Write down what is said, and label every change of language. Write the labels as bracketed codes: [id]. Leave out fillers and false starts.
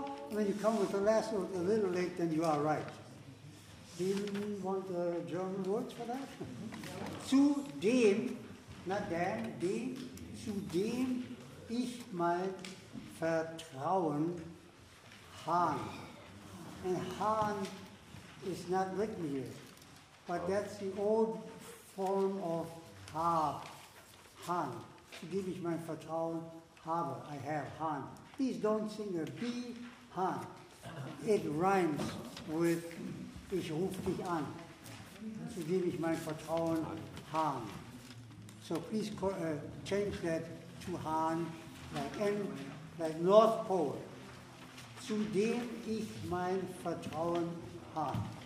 [en] When you come with the last note a little late, then you are right. Do you want the German words for that? [de] Zu dem, not dem, dem, zu dem ich mein Vertrauen han. [en] And han is not written here, but that's the old form of hab, han. [de] Zu dem ich mein Vertrauen habe, [en] I have han. Please don't sing a B, han. It rhymes with [de] ich ruf dich an. Zu dem ich mein Vertrauen Han. [en] So please change that to Han, like N, like North Pole. [de] Zu dem ich mein Vertrauen Han.